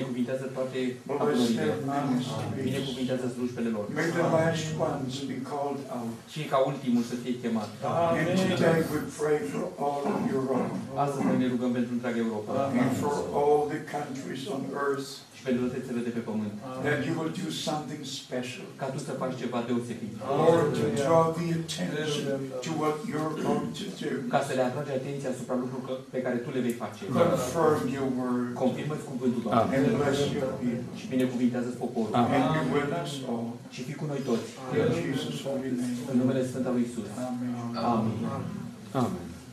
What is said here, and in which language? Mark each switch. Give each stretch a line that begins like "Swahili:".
English: Bless their ministries. May the last ones be called out. And today we pray for all of Europe. And for all the countries on earth.
Romanian: și pentru toate țările de pe pământ.
English: That you will do something special.
Romanian: Ca tu să faci ceva deosebit.
English: Lord, to draw the attention to what you're going to do.
Romanian: Ca să le atragi atenția asupra lucrurilor pe care tu le vei face.
English: Confirm your word.
Romanian: Confirmă-ți cuvântul, Doamne.
English: And bless your people.
Romanian: Și binecuvintează-ți poporul.
English: And be with us all.
Romanian: Și fii cu noi toți.
English: In Jesus' holy name.
Romanian: În numele Sfânt al lui Iisus.
English: Amen.
Romanian: Amen.